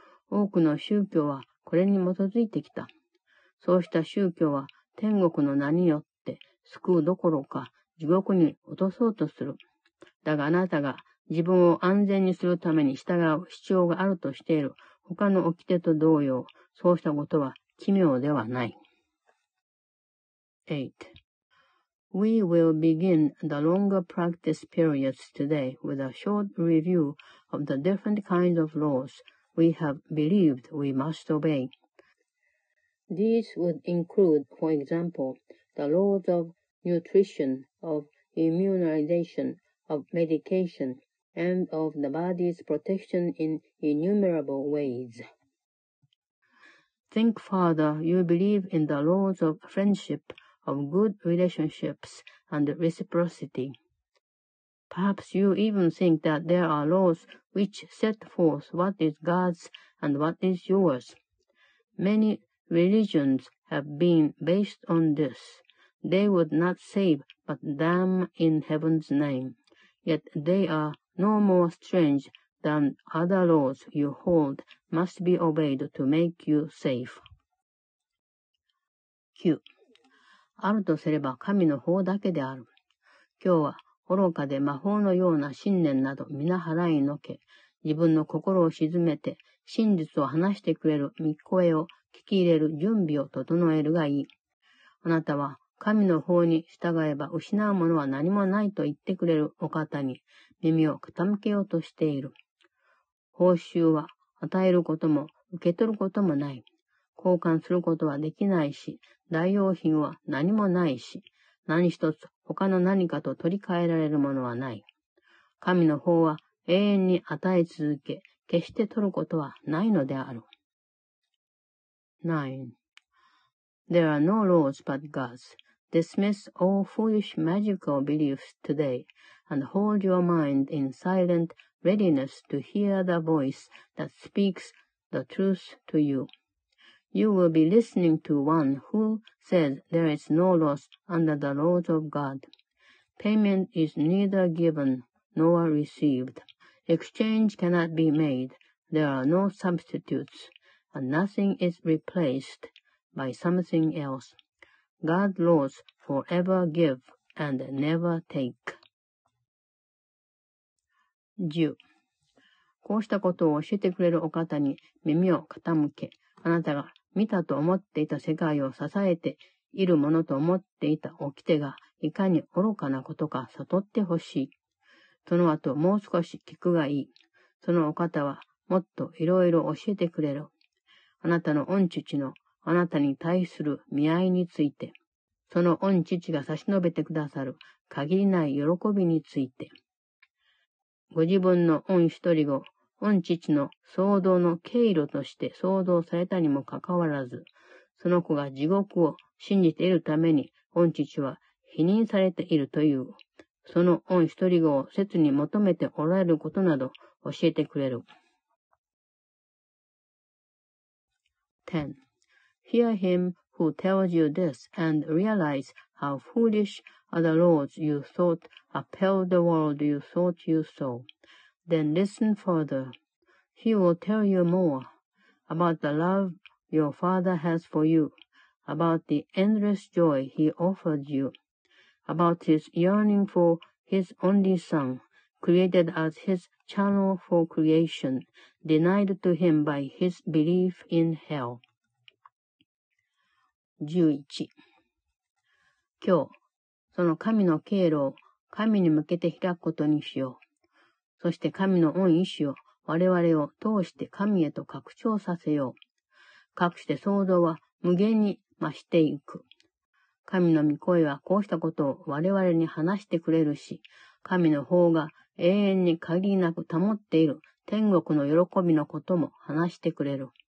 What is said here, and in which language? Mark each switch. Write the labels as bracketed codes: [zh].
[ja] 多くの宗教はこれに基づいてきた。そうした宗教は天国の名によって救うどころか地獄に落とそうとする。だがあなたが自分を安全にするために従う必要があるとしている他の掟と同様、そうしたことは奇妙ではない。 8. [en] We will begin the longer practice periods today with a short review of the different kinds of laws we have believed we must obey. These would include, for example, the laws of nutrition, of immunization, of medication, and of the body's protection in innumerable ways. Think, Father, you believe in the laws of friendship, of good relationships, and reciprocity. Perhaps you even think that there are laws which set forth what is God's and what is yours. Many religions have been based on this. They would not save but damn in heaven's name. Yet they are no more strange than other laws you hold must be obeyed to make you safe. [ja] 9. あるとすれば神の法だけである。今日は愚かで魔法のような信念など皆払いのけ、自分の心を鎮めて真実を話してくれる御声を聞き入れる準備を整えるがいい。あなたは神の法に従えば失うものは何もないと言ってくれるお方に耳を傾けようとしている。報酬は与えることも受け取ることもない。交換することはできないし、代用品は何もないし、何一つ他の何かと取り替えられるものはない。神の法は永遠に与え続け、決して取ることはないのである。 9. [en] There are no laws but God's. Dismiss all foolish magical beliefs today, and hold your mind in silent readiness to hear the voice that speaks the truth to you. You will be listening to one who says there is no loss under the laws of God. Payment is neither given nor received. Exchange cannot be made. There are no substitutes, and nothing is replaced by something else. God's laws forever give and never take. 10. [ja] こうしたことを教えてくれるお方に耳を傾け、あなたが見たと思っていた世界を支えているものと思っていた掟がいかに愚かなことか悟ってほしい。その後もう少し聞くがいい。そのお方はもっといろいろ教えてくれる。あなたの御父のあなたに対する見合いについて、その御父が差し伸べてくださる限りない喜びについて、ご自分の御一人を御父の創造の経路として創造されたにもかかわらず、その子が地獄を信じているために御父は否認されているという、その御一人を切に求めておられることなど教えてくれる。 10. [en] Hear him who tells you this and realize how foolish are the laws you thought upheld the world you thought you saw. Then listen further. He will tell you more about the love your father has for you, about the endless joy he offered you, about his yearning for his only son, created as his channel for creation, denied to him by his belief in hell. 11. [ja] 今日、その神の経路を神に向けて開くことにしよう。そして神の御意志を我々を通して神へと拡張させよう。かくして創造は無限に増していく。神の御声はこうしたことを我々に話してくれるし、神の法が永遠に限りなく保っている天国の喜びのことも話してくれる。